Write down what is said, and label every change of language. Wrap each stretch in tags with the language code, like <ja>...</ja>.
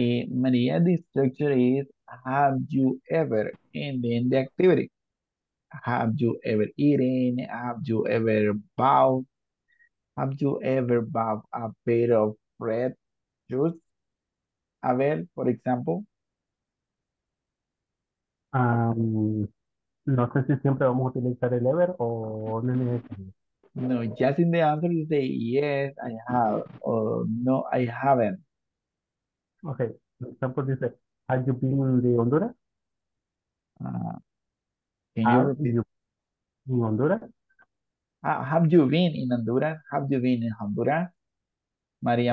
<en>Maria, the structure is have you ever, and then the activity. Have you ever eaten? Have you ever bought? Have you ever bought a pair of red shoes?</en> <es>A ver,</es> <en>for example.</en> <es>No sé si siempre vamos a utilizar el ever o no es necesario.</es> <en>No, just in the answer you say yes, I have, or no, I haven't. Okay, the example dice, have you been in the Honduras? Can you Have repeat? you been in Honduras? Have you been in Honduras? Have you been in Honduras? Maria</en>